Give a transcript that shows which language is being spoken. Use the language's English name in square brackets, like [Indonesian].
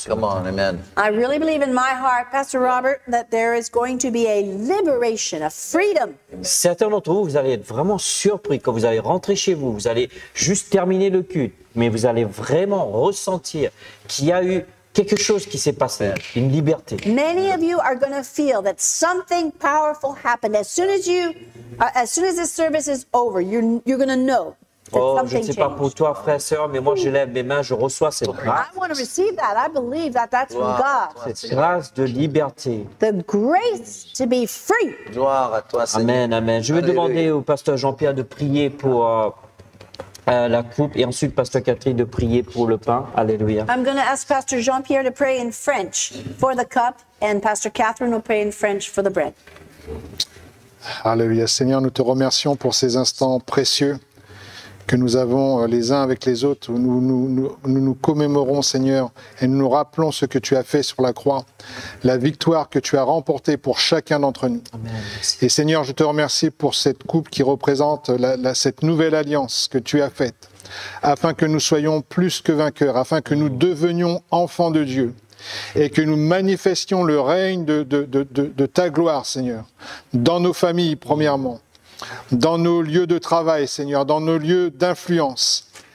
[English] Come on, amen. I really believe in my heart, Pastor Robert, that there is going to be a liberation, a freedom. [French] Certains d'entre vous, vous allez être vraiment surpris quand vous allez rentrer chez vous, vous allez juste terminer le culte. Mais vous allez vraiment ressentir qu'il y a eu quelque chose qui s'est passé, une liberté. [English] Many of you are going to feel that something powerful happened as soon as this service is over. You're going to know [French] Oh, je ne sais pas pour toi, frère, sœur, mais moi, je lève mes mains, je reçois cette grâce. [English] I want to receive that. I believe that that's from God. [French] Cette grâce de liberté. [English] The grace to be free. [French] Gloire à toi, Seigneur. Amen, amen. Je vais demander au pasteur Jean-Pierre de prier pour la coupe et ensuite, pasteur Catherine, de prier pour le pain. Alléluia. [English] I'm going to ask pasteur Jean-Pierre to pray in French for the cup and pasteur Catherine will pray in French for the bread. [French] Alléluia. Seigneur, nous te remercions pour ces instants précieux que nous avons les uns avec les autres, où nous commémorons, Seigneur, et nous nous rappelons ce que tu as fait sur la croix, la victoire que tu as remportée pour chacun d'entre nous. Amen. Et Seigneur, je te remercie pour cette coupe qui représente cette nouvelle alliance que tu as faite, afin que nous soyons plus que vainqueurs, afin que nous devenions enfants de Dieu, et que nous manifestions le règne de ta gloire, Seigneur, dans nos familles, premièrement, dans nos lieux de travail, Seigneur, dans nos lieux d'influence.